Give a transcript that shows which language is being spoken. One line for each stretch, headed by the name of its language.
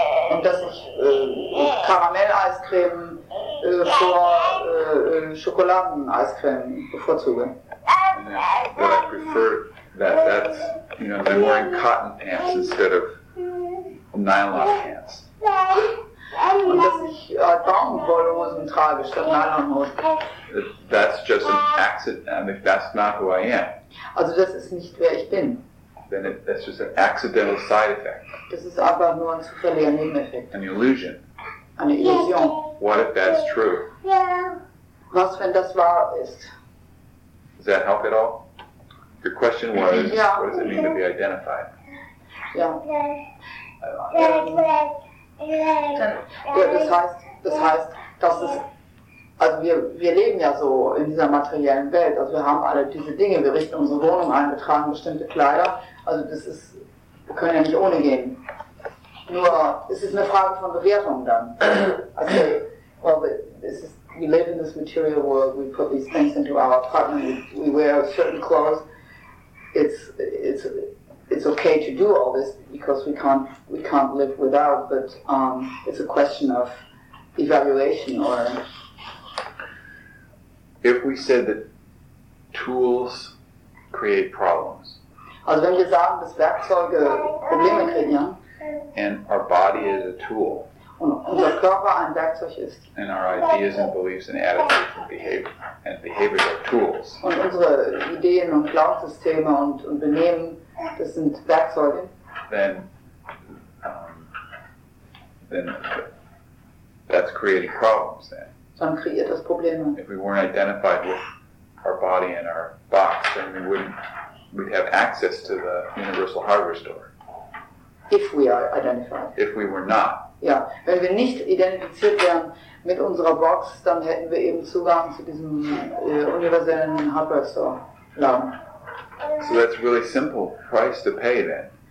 German: Und dass ich Karamell-Eiscreme vor Schokoladen-Eiscreme bevorzuge.
English: That I prefer that's, you know, they're wearing cotton pants instead of nylon pants.
German: Und dass ich Baumwollhosen trage statt Nylonhosen.
English: That's just an accident. I mean, that's not who I am.
German: Also das ist nicht wer ich bin.
English: Then that's just an accidental side effect.
German: Das ist aber nur ein zufälliger Nebeneffekt.
English: An illusion.
German: Eine Illusion.
English: What if that's true?
German: Was, wenn das wahr ist?
English: Does that help at all? Your question was, what does it mean to be identified? Yeah.
German: Das heißt, dass es, also wir leben ja so in dieser materiellen Welt, also wir haben alle diese Dinge, wir richten unsere Wohnung ein, wir tragen bestimmte Kleider, also das ist, wir können ja nicht ohne gehen. Nur, es ist eine Frage von Bewertung dann.
English: Also, we live in this material world, we put these things into our apartment, we wear certain clothes, it's okay. okay to do all this because we can't live without, but it's a question of evaluation. Or if we said that tools create problems.
German: Also wenn wir sagen, dass Werkzeuge Probleme kreieren.
English: And our body is a tool.
German: Unser Körper ein Werkzeug ist.
English: And our ideas and beliefs and attitudes and behavior and behaviors are tools.
German: Und unsere Ideen und Glaubenssysteme und Benehmen, das sind Werkzeuge.
English: Then that's creating problems then.
German: Dann kreiert das Probleme.
English: If we weren't identified with our body and our box, then we'd have access to the universal hardware store. If we are identified. If we were not.
German: Ja, wenn wir nicht identifiziert wären mit unserer Box, dann hätten wir eben Zugang zu diesem universellen Hardware Store. Ja.
English: So that's really simple price to pay then.